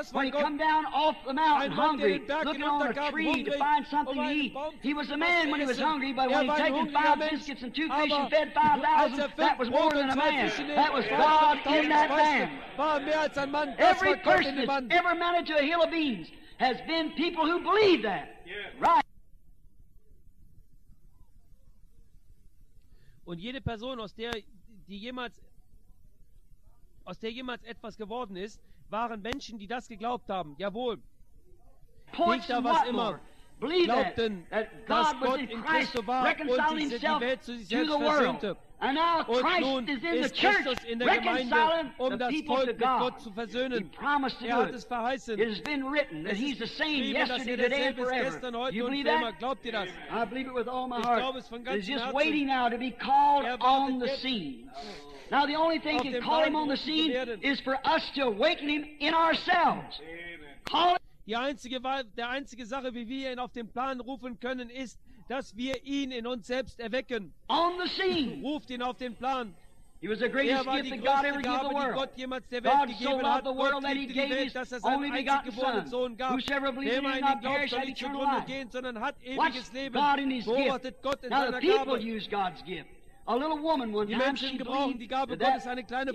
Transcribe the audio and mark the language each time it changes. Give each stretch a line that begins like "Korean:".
English: When he come down off the mountain hungry, looking on a tree to find something to eat, he was a man when he was hungry. But when he'd taken five biscuits and two fish and fed 5,000, that was more than a man. That was God in that man. Every person that's ever mounted to a hill of beans has been people who believe that. Right.
German: Und jede Person, aus der jemals etwas geworden ist, waren Menschen, die das geglaubt haben. Jawohl. Nicht da was immer. Glaubten, dass Gott in Christus war und sich die Welt zu sich selbst versöhnte. Und nun ist Christus in der Gemeinde, um das Volk mit Gott zu versöhnen. Er hat es verheißen. Es ist geschrieben, dass er derselbe ist gestern, heute und für immer. Glaubt ihr das? Ich glaube es von ganzem Herzen. Er wartet jetzt.
English: Now the only thing can call him on the scene is for us to awaken him in ourselves.
German: Die einzige Sache, wie wir ihn auf den Plan rufen können, ist, dass wir ihn in uns selbst erwecken.
English: On the scene.
German: Ruft ihn auf den Plan.
English: He was the greatest gift that God ever gave the world. God so loved the world that he gave his only begotten Son. Whosoever believes in him not perish, but eternal life. Watch God in his gift. Now the people use God's gift. A little woman one time, she believed that